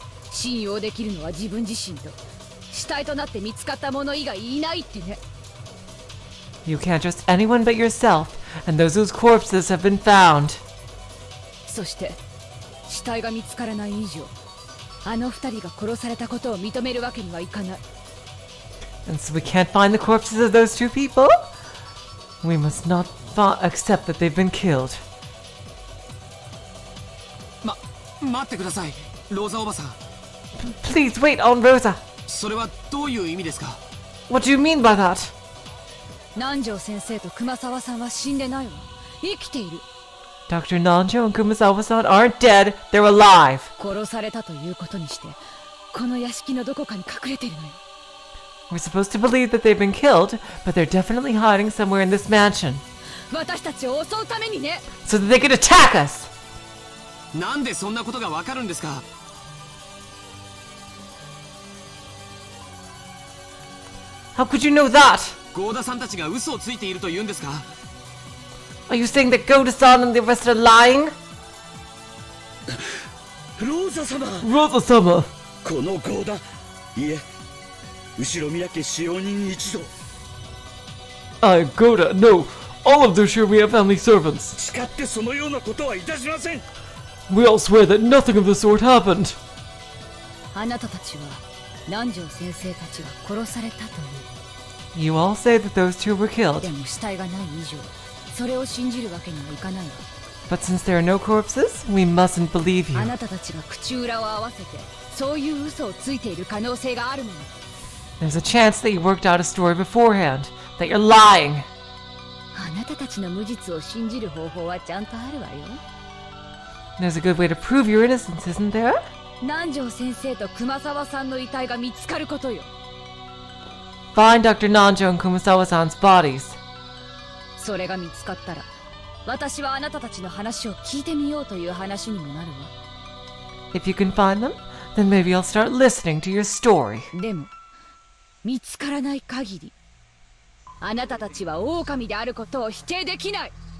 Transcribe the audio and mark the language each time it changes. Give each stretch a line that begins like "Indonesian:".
Japanese: 信用できるのは自分自身と死体となって見つかったもの以外いないってね。
English: You can't trust anyone but yourself and those whose corpses have been found.
Japanese: そして死体が見つからない以上、あの二人が殺されたことを認めるわけにはいかない。
English: And so we can't find the corpses of those two people? We must not accept that they've been killed.
Japanese: 待ってください、ローザおばさん。
English: Please wait, Aunt Rosa.
Japanese: それはどういう意味ですか?
English: What do you mean by that?
Japanese: 南條先生と熊沢さんは死んでないわ。生きている。
English: Dr. 南條 and 熊沢さん aren't dead. They're alive.
Japanese: 殺されたということにして、この屋敷のどこかに隠れているのよ。
English: We're supposed to believe that they've been killed, but they're definitely hiding somewhere in this mansion.
Japanese: 私たちを襲うためにね。
English: So that they could attack us.
Japanese: なんでそんなことがわかるんですか?
English: How could you know that?
Japanese: ゴーダさんたちが嘘をついていると言うんですか?
English: Are you saying that Goda-san and the rest are lying?
Japanese: ローザ様! ローザ様! このゴーダ、いえ、後ろ宮家使用人一同。
English: I'm Goda, no, all of the Shiromiya family servants.
Japanese: 誓ってそのようなことはいたしません!
English: We all swear that nothing of the sort happened.
Japanese: あなたたちは、南條先生たちが殺されたという。
English: You all say that those two were killed.
Japanese: でも死体がない以上、それを信じるわけにはいかないわ。
English: But since there are no corpses, we mustn't believe you.
Japanese: あなたたちが口裏を合わせて、そういう嘘をついている可能性があるもの。
English: There's a chance that you worked out a story beforehand, that you're lying.
Japanese: あなたたちの無実を信じる方法はちゃんとあるわよ。
English: There's a good way to prove your innocence, isn't there?
Japanese: 南條先生と熊沢さんの遺体が見つかることよ。
English: Find Dr. Nanjo and Kumasawa-san's bodies.
Japanese: それが見つかったら、私はあなたたちの話を聞いてみようという話にもなるわ。
English: If you can find them, then maybe I'll start listening to your story.
Japanese: でも、見つからない限り、あなたたちは狼であることを否定できない。